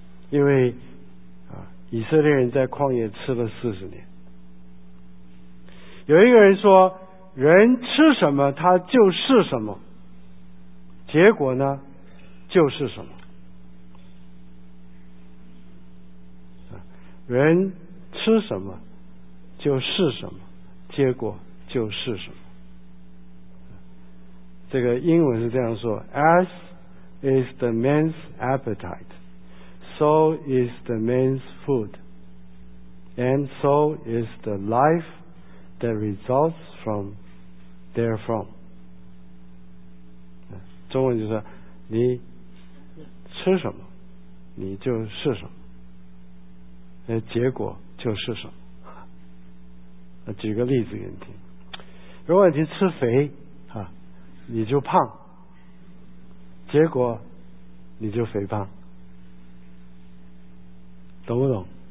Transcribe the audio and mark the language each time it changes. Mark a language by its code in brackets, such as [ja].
[zh] 因为以色列人在旷野吃了40年，有一个人说人吃什么他就是什么，结果呢就是什么，人吃什么就是什么，结果就是什么。这个英文是这样说， [en] As is the man's appetite, so is the man's food, and so is the life that results from therefrom。 [zh] 中文就是你吃什么你就是什么，结果就是什么。举个例子给你听，如果你吃肥啊，你就胖，结果你就肥胖，懂不懂？